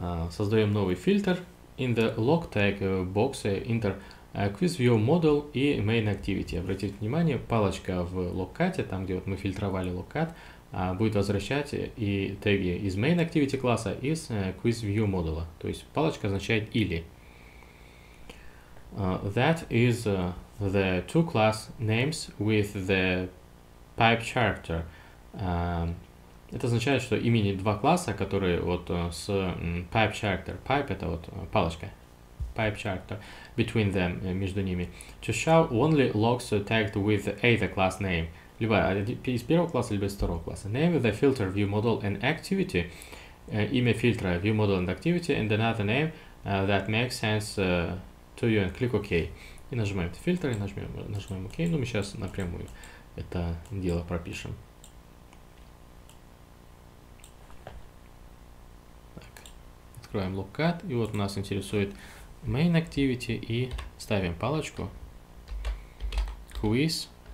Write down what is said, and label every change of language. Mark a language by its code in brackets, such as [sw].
[ru] Создаем новый фильтр. [en] In the Log Tag box, enter Quiz View Model и Main Activity. [ru] Обратите внимание, палочка в Logcat, там, где вот мы фильтровали Logcat, будет возвращать и теги из main activity класса и из quiz view модула. То есть палочка означает или. [en] That is the two class names with the pipe character. [ru] Это означает, что имени два класса, которые вот с pipe character. Pipe — это вот палочка. [en] Pipe character between them, [ru] между ними. [en] To show only logs tagged with either class name. [ru] Либо из первого класса, либо из второго класса. [en] Name the filter view model and activity. [ru] Имя фильтра [en] view model and activity. And another name that makes sense to you. And click OK. [ru] И нажимаем фильтр, и нажимаем OK. Ну, мы сейчас напрямую это дело пропишем. Так. Откроем Logcat. И вот нас интересует main activity. И ставим палочку. Quiz.